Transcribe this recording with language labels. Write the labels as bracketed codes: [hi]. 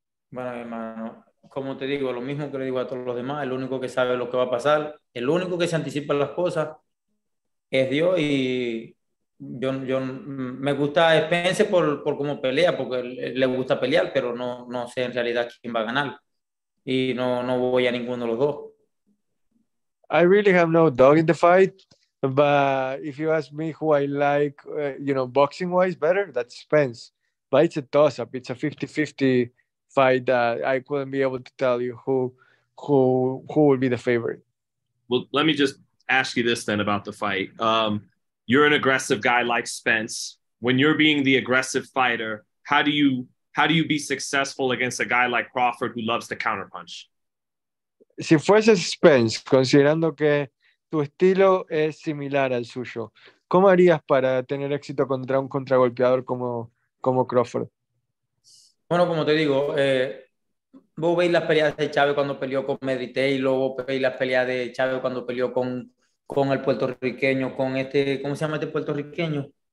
[es] Bueno, hermano, como te digo, lo mismo que le digo a todos los demás, el único que sabe lo que va a pasar, el único que se anticipa las cosas es Dios. Y yo me gusta Spence por cómo pelea, porque le gusta pelear, pero no sé en realidad quién va a ganar. Y no voy a ninguno de los dos. [en] I really have no dog in the fight, but if you ask me who I like, boxing wise better, that's Spence. But it's a toss up, it's a 50-50 fight that I couldn't be able to tell you who would be the favorite. Well, let me just ask you this then about the fight. You're an aggressive guy like Spence. When you're being the aggressive fighter, how do you be successful against a guy like Crawford who loves to counterpunch? [es] Si fueses Spence, considerando que tu estilo es similar al suyo, ¿cómo harías para tener éxito contra un contragolpeador como Crawford? Bueno, como te digo, vos veis las peleas de Chávez cuando peleó con Meditei, luego veis las peleas de Chávez cuando peleó con el puertorriqueño, con este, ¿cómo se llama este puertorriqueño?